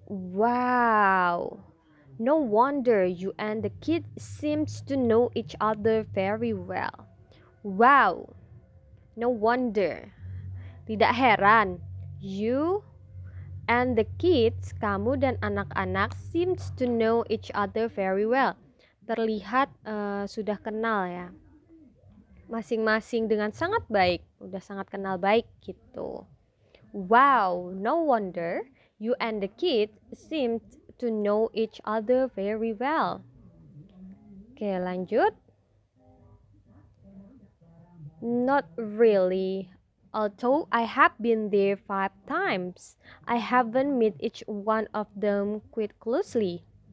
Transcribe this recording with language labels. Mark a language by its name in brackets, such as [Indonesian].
[English] Wow, no wonder you and the kid seems to know each other very well. Wow, no wonder. [Indonesian] Tidak heran. [English] You and the kids, [Indonesian] kamu dan anak-anak [English] seems to know each other very well. [Indonesian] Terlihat sudah kenal ya. Masing-masing dengan sangat baik. Udah sangat kenal baik gitu. [English] Wow, no wonder you and the kid seemed to know each other very well. [Indonesian] Oke, lanjut. [English] Not really. Although I have been there 5 times, I haven't met each one of them quite closely.